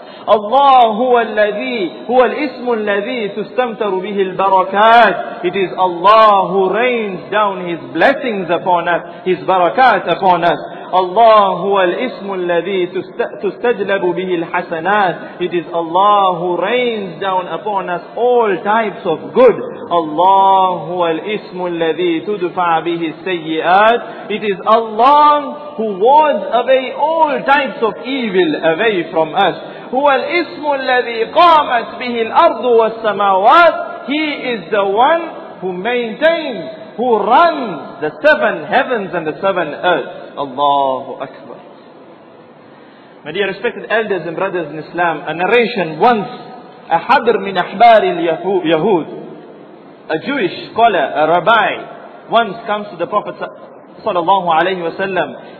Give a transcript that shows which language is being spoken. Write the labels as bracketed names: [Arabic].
[Arabic] Allah huwa الذي هو الاسم الذي تستمتر به البركات. [English] It is Allah who rains down His blessings upon us, His barakat upon us. [Arabic] Allah huwa الاسم الذي تستجلب به الحسنات. [English] It is Allah who rains down upon us all types of good. [Arabic] Allah huwa الاسم الذي تدفع به السيئات. [English] It is Allah who wards away all types of evil away from us. [Arabic] هو الاسم الذي قامت به الأرض والسماوات. [English] He is the one who maintains, who runs the seven heavens and the seven earths. Allahu Akbar. My dear respected elders and brothers in Islam, a narration once, a [Arabic] hadr min ahbar al-Yahud, [English] a Jewish scholar, a rabbi, once comes to the Prophet sallallahu alayhi wa sallam.